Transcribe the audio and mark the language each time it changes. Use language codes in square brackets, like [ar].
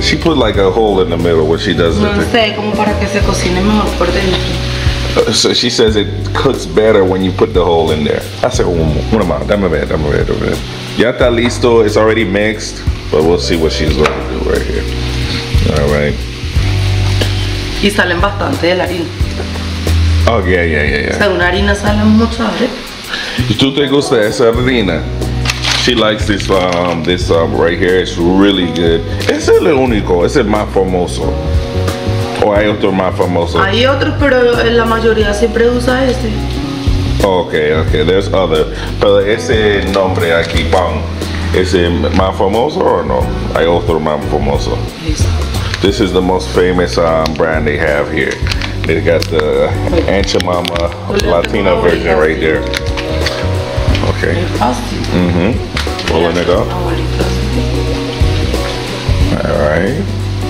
[en] She put like a hole in the middle when she does it. [es] No sé, como para que se cocine mejor por dentro. [en] So she says it cooks better when you put the hole in there. [es] Hace una más. Dame ver. Ya está listo. [en] It's already mixed, but we'll see what she's going to do right here. All right. [es] Y salen bastante de la harina. [en] Oh, yeah. [es] O sea, una harina sale mucho, ¿eh? ¿Y tú te gusta esa harina? [en] She likes this this right here. It's really good. [es] Es el único, es el más famoso. ¿O hay otro más famoso? Hay otro, pero la mayoría siempre usa este. [en] Okay, there's other. [es] Pero ese nombre aquí, Pong, ¿es el más famoso o no? Hay otro más famoso. [en] This is the most famous brand they have here. They got the Ancha Mama Latina version right there. Okay. Mm-hmm. Rolling it up. All right.